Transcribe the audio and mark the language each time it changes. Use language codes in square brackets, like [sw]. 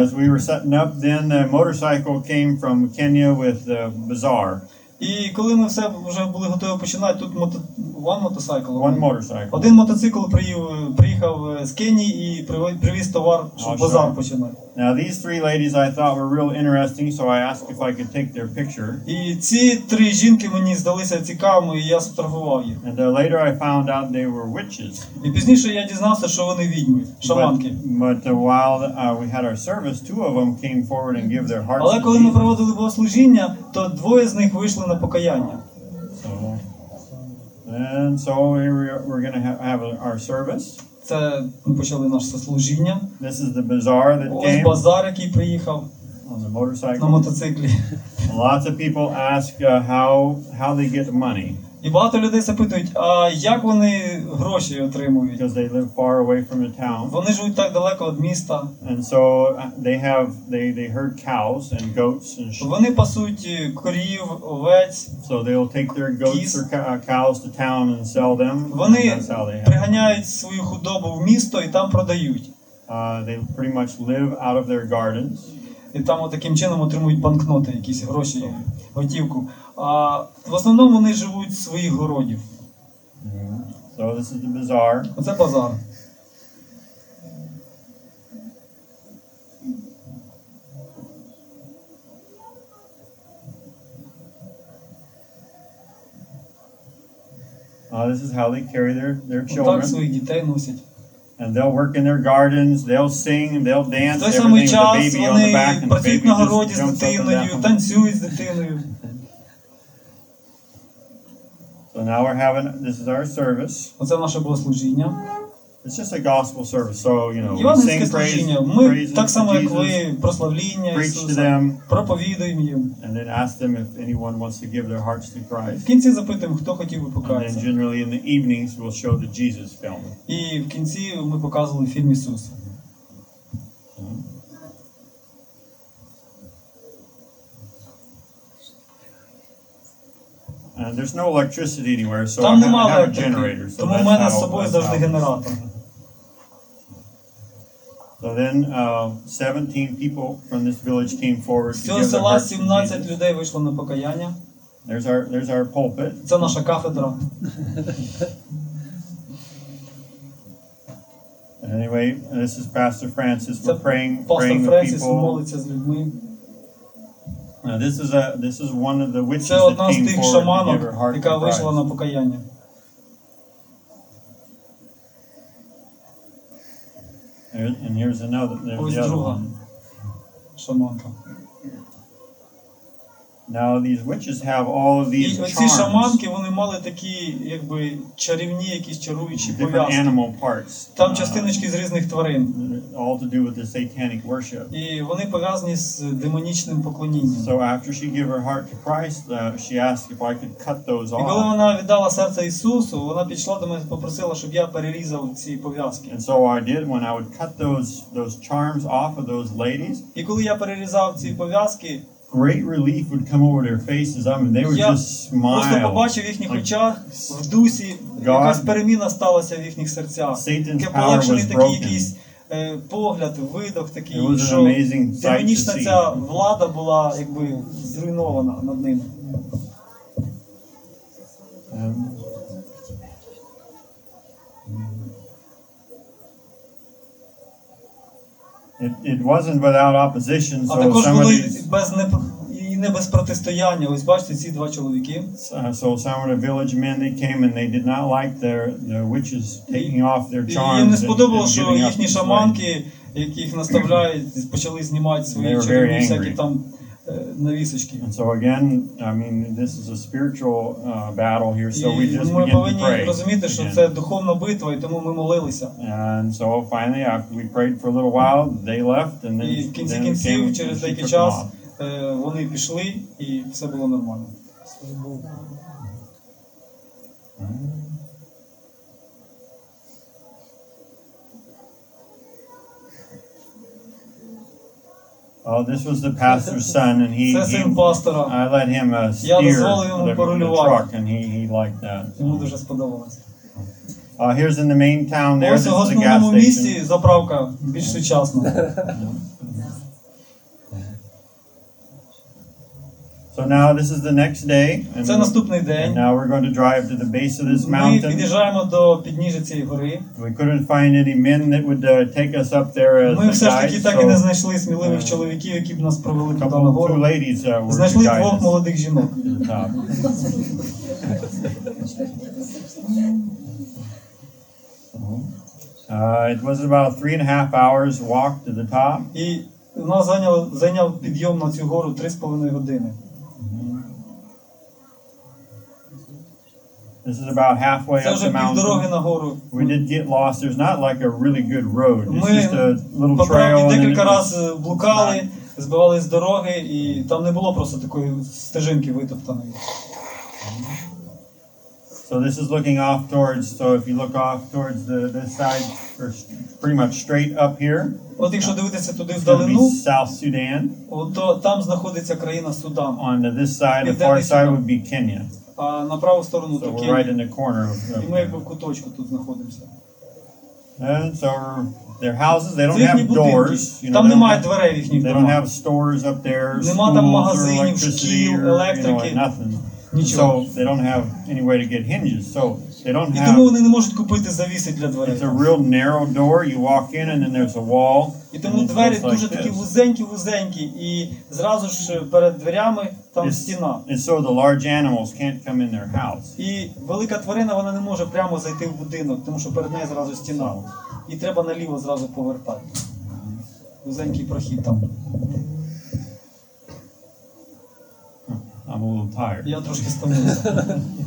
[en] And as we were setting up, then the motorcycle came from Kenya with the bazaar. [uk] І коли ми все вже були готові починати, тут [en] one motorcycle. [uk] Один мотоцикл приїхав з Кенії і привіз товар, щоб базар починати. [en] Now these three ladies I thought were real interesting, so I asked if I could take their picture. [uk] І ці три жінки мені здалися цікавими, і я сфотографував їх. [en] And later I found out they were witches. [uk] І пізніше я дізнався, що вони відьми, шаманки. [en] But while we had our service, two of them came forward and gave their hearts. [uk] Але коли ми проводили богослужіння, то двоє з них вийшли на покаяння. [en] And so we're going to have our service. [uk] Це ми почали наше служіння. [en] This is the bazaar that [uk] Ось [en] came. [uk] Ось базар, який приїхав. [en] On the motorcycle. [uk] На мотоциклі. [en] Lots of people ask how they get money. [uk] І багато людей запитують, а як вони гроші отримують? [en] Because they live far away from the town. [uk] Вони живуть так далеко від міста. [en] And so they herd cows and goats and sheep. [uk] Вони пасуть корів, овець. [en] So they'll take their goats or cows to town and sell them. [uk] Вони приганяють свою худобу в місто і там продають. [en] They pretty much live out of their gardens. [uk] І там таким чином отримують банкноти, якісь гроші, готівку. А в основному вони живуть в своїх городів. [en] So this is the bazaar. [uk] Оце базар. [en] This is how they carry their children. [uk] Так своїх дітей носять. [en] And they'll work in their gardens, they'll sing, they'll dance, everything with the baby on the back, and the baby just jumps up and down. [uk] На городі з дитиною, танцюють з дитиною. [en] So now we're having, this is our service. [uk] Оце наше богослужіння. [en] It's just a gospel service, so, you know, we sing praise, [uk] ми так само, як ви, прославління Ісуса, проповідуємо їм. [en] And then ask them if anyone wants to give their hearts to Christ. [uk] В кінці запитуємо, хто хотів би покаятися. [en] And then generally in the evenings we'll show the Jesus film. [uk] І в кінці ми показували фільм Ісуса. [en] And there's no electricity anywhere, so [uk] там [en] I don't have a generator, so [uk] тому [en] that's [uk] у мене з собою завжди генератор. [en] So then 17 people from this village came forward. [uk] Всього села 17 людей вийшло на покаяння. [en] There's our pulpit. [uk] Це наша кафедра. [en] Anyway, this is Pastor Francis. We're praying with people. [uk] Pastor Francis молиться з людьми. [en] Now, this is one of the witches that came forward to give her heart to Christ. [uk] Вийшла на покаяння. [en] And here's another. [uk] Шаманка. [en] Now these witches have all of these charms. [uk] І ці шаманки, вони мали такі, якби, чарівні якісь чаруючі пов'язки. [en] Different animal parts. [uk] Там частиночки з різних тварин. [en] All to do with the satanic worship. [uk] І вони пов'язані з демонічним поклонінням. [en] So after she gave her heart to Christ, she asked if I could cut those off. [uk] І коли вона віддала серце Ісусу, вона пішла до мене і попросила, щоб я перерізав ці пов'язки. [en] And so I did when I would cut those charms off of those ladies. [uk] І коли я перерізав ці пов'язки, [en] great relief would come over their faces. I mean, they would just smile. [uk] Просто побачив їхніх очах, в дусі, якась переміна сталася в їхніх серцях. [en] Satan's power was broken. [uk] Такий якийсь погляд, видох такий, що демонічна ця влада була, якби, зруйнована над ними. [en] It wasn't without opposition, so some of the village men, they came and they did not like their witches taking off their charms. [uk] Їм не сподобалося, що їхні шаманки, яких наставляють, почали знімати свої чарівні всякі там навісочки. [en] And so again, I mean, this is a spiritual battle here, so we just begin to pray. [uk] Ми повинні розуміти, що це духовна битва, і тому ми молилися. [en] And so finally, after we prayed for a little while, they left, and then [uk] в кінці кінців, через деякий час, вони пішли, і все було нормально. [en] Oh, this was the pastor's son, and he [uk] pastora. [en] I let him steer the truck, and he liked that. [uk] Йому дуже сподобалося. [en] Oh, here's in the main town there, this is a gas station. [uk] Місті заправка більш сучасна. [en] So now this is the next day, and [uk] це наступний день. [en] Now we're going to drive to the base of this mountain. [uk] Ми під'їжджаємо до підніжжя цієї гори. [en] We couldn't find any men that would take us up there as guides. [uk] Ми все ж таки [en] guide, [uk] так і не знайшли сміливих чоловіків, які б нас провели туди на гору. [en] Two ladies, [uk] знайшли двох молодих жінок. [en] It was about 3.5 hours walk to the top. [uk] І нас зайняв підйом на цю гору 3.5 години. [en] This is about halfway up the mountain. We did get lost. There's not like a really good road. It's just a little trail. [uk] Ми декілька раз блукали, збивали з дороги, і там не було просто такої стежинки витоптаної. [en] So this is looking off towards, so if you look off towards the side, pretty much straight up here. [uk] От якщо дивитися туди вдалину, [en] South Sudan. [uk] От то там знаходиться країна Судан. [en] On this side, the far side would be Kenya. [uk] А на праву сторону [en] so [uk] таке. [en] Right, [uk] і ми якби в куточку тут знаходимося. [en] And so their houses, they don't have doors, you [uk] там [en] know, [uk] немає дверей в їхніх. [en] They don't have stores up there. [uk] Нема там магазинів, шкіл, електрики, [en] nothing. [uk] Нічого. [en] So they don't have any way to get hinges. So they don't have. [uk] Тому вони не можуть купити завіси для дверей. [en] It's a real narrow door. You walk in and then there's a wall. [uk] І тому двері дуже такі вузенькі-вузенькі, і зразу ж перед дверями там стіна. And so the large animals can't come in their house. І велика тварина, вона не може прямо зайти в будинок, тому що перед нею зразу стіна. І треба наліво зразу повертати. Вузенький прохід там. [en] I'm a little tired. [uk] Я трошки стомився.